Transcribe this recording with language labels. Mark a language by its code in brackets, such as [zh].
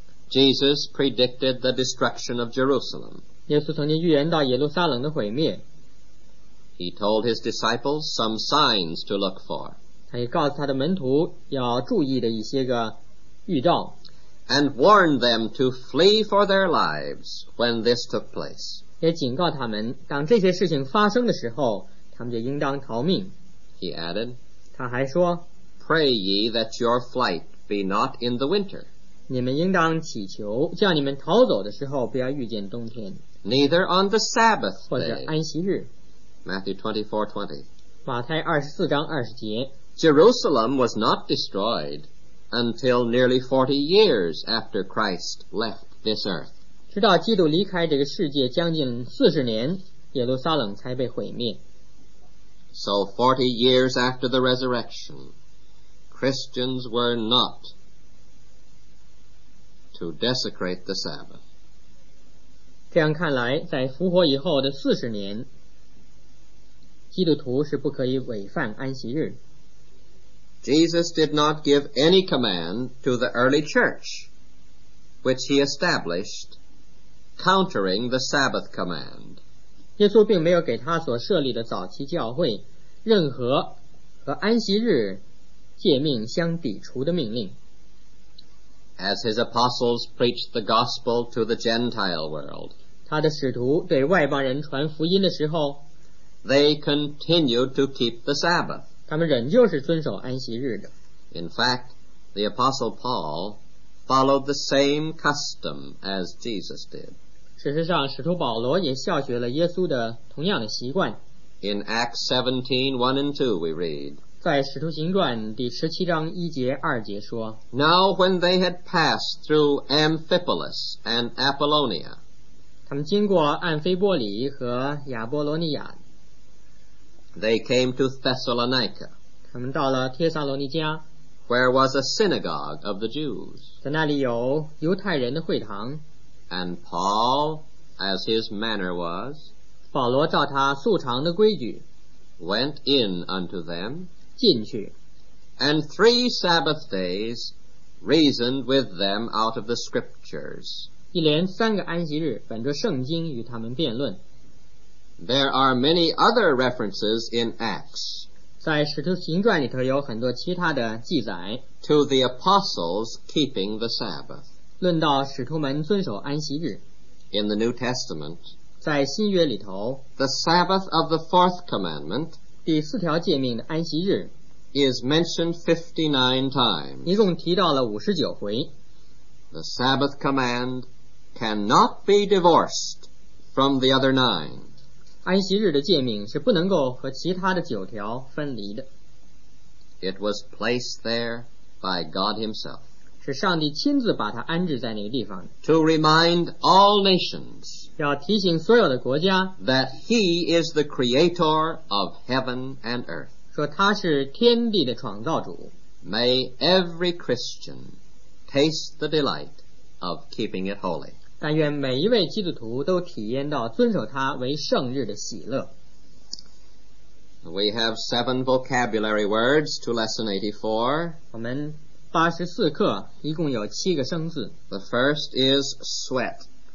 [en] Jesus predicted the destruction of Jerusalem. [zh] 耶稣曾经预言到耶路撒冷的毁灭。 [en] He told his disciples some signs to look for. [zh] 他也告诉他的门徒要注意的一些个预兆。 [en] And warned them to flee for their lives when this took place. [zh] 也警告他们，当这些事情发生的时候，他们就应当逃命。 [en] He added, [zh] 他还说， [en] Pray ye that your flight be not in the winter. [zh] 你们应当祈求，叫你们逃走的时候不要遇见冬天。 [en] Neither on the Sabbath day. [zh] 或者安息日。 [en] Matthew 24:20. [zh] 马太24章20节。 [en] Jerusalem was not destroyed until nearly 40 years after Christ left this earth. [zh] 直到基督离开这个世界将近40年，耶路撒冷才被毁灭。 [en] So 40 years after the resurrection, Christians were not to desecrate the Sabbath. [zh] 这样看来，在复活以后的40年，基督徒是不可以违反安息日。 [en] Jesus did not give any command to the early church, which he established, countering the Sabbath command. [zh] 耶稣并没有给他所设立的早期教会任何和安息日诫命相抵触的命令。 [en] As his apostles preached the gospel to the Gentile world, [zh] 他的使徒对外邦人传福音的时候， [en] they continued to keep the Sabbath. [zh] 他们仍旧是遵守安息日的。 [en] In fact, the Apostle Paul followed the same custom as Jesus did. [zh] 事实上，使徒保罗也效学了耶稣的同样的习惯。 [en] In Acts 17:1-2, we read, [zh] 在使徒行传第十七章一节二节说， [en] Now when they had passed through Amphipolis and Apollonia, [zh] 他们经过安菲波里和亚波罗尼亚， [en] They came to Thessalonica, [zh] 他们到了帖撒罗尼迦， [en] where was a synagogue of the Jews, [zh] 在那里有犹太人的会堂， [en] and Paul, as his manner was, [zh] 保罗照他素常的规矩， [en] went in unto them, [zh] 进去， [en] and 3 Sabbath days reasoned with them out of the scriptures, [zh] 一连三个安息日本着圣经与他们辩论。 [en] There are many other references in Acts. [zh] 在使徒行传里头有很多其他的记载。 [en] To the apostles keeping the Sabbath. [zh] 论到使徒们遵守安息日。 [en] In the New Testament. [zh] 在新约里头。 [en] The Sabbath of the fourth commandment. [zh] 第四条诫命的安息日。 [en] Is mentioned 59 times. [zh] 一共提到了59回。 [en] The Sabbath command cannot be divorced from the other 9. [zh] 安息日的诫命是不能够和其他的九条分离的。 [en] It was placed there by God himself. [zh] 是上帝亲自把它安置在那个地方。 [en] To remind all nations. [zh] 要提醒所有的国家。 [en] That he is the creator of heaven and earth. [zh] 说他是天地的创造主。 [en] May every Christian taste the delight of keeping it holy. [zh] 但愿每一位基督徒都体验到遵守它为圣日的喜乐。 [en] We have 7 vocabulary words to lesson 84. [zh] 我们84课一共有7个生字。 [en] The first is sweat.